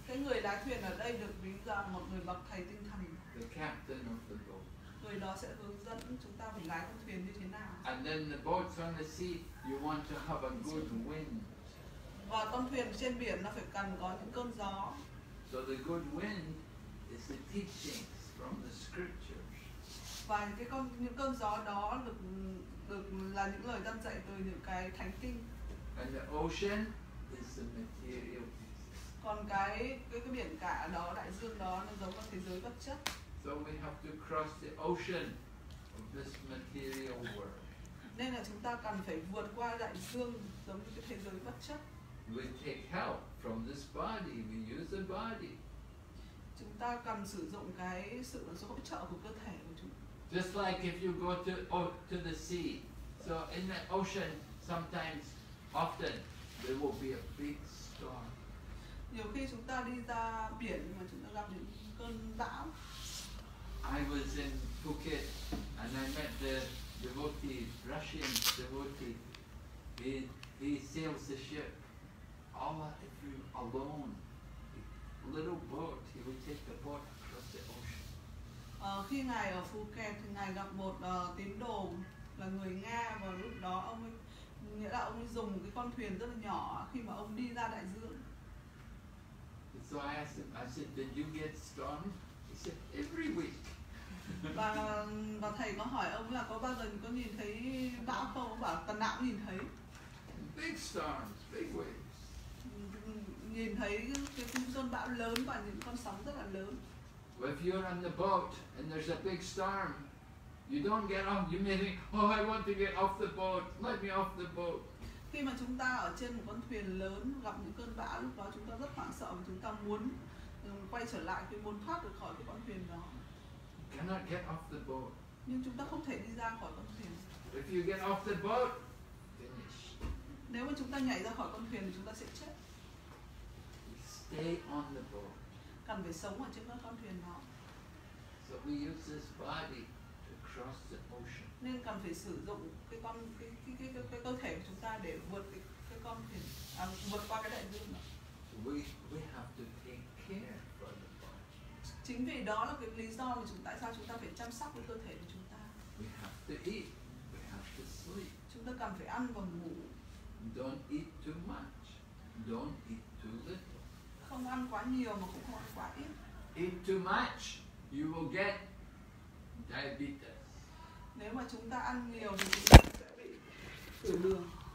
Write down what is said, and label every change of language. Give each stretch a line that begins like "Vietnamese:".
Vietnamese: Cái người lái thuyền ở đây được ví ra một người bậc thầy tinh thần.
English: The captain of the boat.
Vietnamese: Người đó sẽ hướng dẫn chúng ta phải lái con thuyền như thế nào.
English: And then the boat's on the sea, you want to have a good wind.
Vietnamese: Và con thuyền trên biển nó phải cần có những cơn gió.
English: So the good wind is the teachings from the scriptures.
Vietnamese: Và cái con những cơn gió đó được là những lời dân dạy từ những cái thánh kinh.
English: And the ocean is the material.
Vietnamese: Còn cái biển cả đó, đại dương đó, nó giống một thế giới vật chất.
English: So we have to cross the ocean of this material world.
Vietnamese: Nên là chúng ta cần phải vượt qua đại dương giống như cái thế giới vật chất.
English: We take help from this body, we use the body.
Vietnamese: Chúng ta cần sử dụng cái sự hỗ trợ của cơ thể của chúng.
English: Just like if you go to the sea. So in the ocean, sometimes, often, there will be a big storm.
Vietnamese: Nhiều khi chúng ta đi ra biển mà chúng ta gặp những cơn bão.
English: I was in Phuket and I met the devotee, Russian devotee. He sails the ship all if you alone. Little boat, he would take the boat across the ocean.
Vietnamese: Khi ngài ở Phuket thì ngài gặp một tín đồ là người Nga và lúc đó ông ấy dùng cái con thuyền rất là nhỏ khi mà ông đi ra đại dương.
English: So I asked him, I said, did you get storms? He said, every week.
Vietnamese: Và thầy có hỏi ông là có bao giờ có nhìn thấy bão không? Ông bảo tuần nào cũng nhìn thấy.
English: Big storms, big waves.
Vietnamese: Nhìn thấy cái cơn bão lớn và những con sóng rất là lớn.
English: Well, if you're on the boat and there's a big storm, you don't get off, you may think, oh, I want to get off the boat, let me off the boat.
Vietnamese: Khi mà chúng ta ở trên một con thuyền lớn gặp những cơn bão, lúc đó chúng ta rất hoảng sợ và chúng ta muốn quay trở lại, khi muốn thoát được khỏi cái con thuyền đó.
English: Cannot get off the boat.
Vietnamese: Nhưng chúng ta không thể đi ra khỏi con thuyền.
English: If you get off the boat, finish.
Vietnamese: Nếu mà chúng ta nhảy ra khỏi con thuyền thì chúng ta sẽ chết.
English: Stay on the boat.
Vietnamese: Cần phải sống ở trên con thuyền đó.
English: So we use this body to cross the ocean.
Vietnamese: Nên cần phải sử dụng cái cơ thể của chúng ta để vượt cái con thuyền, vượt qua cái đại dương.
English: We have to take care for the body.
Vietnamese: Chính vì đó là cái lý do mà tại sao chúng ta phải chăm sóc cái cơ thể của chúng ta.
English: We have to eat, we have to sleep.
Vietnamese: Chúng ta cần phải ăn và ngủ.
English: Don't eat too much, don't eat too little.
Vietnamese: Không ăn quá nhiều mà cũng không ăn quá ít.
English: Eat too much, you will get diabetes.
Vietnamese: Nếu mà chúng ta ăn nhiều thì chúng ta sẽ bị tiểu đường.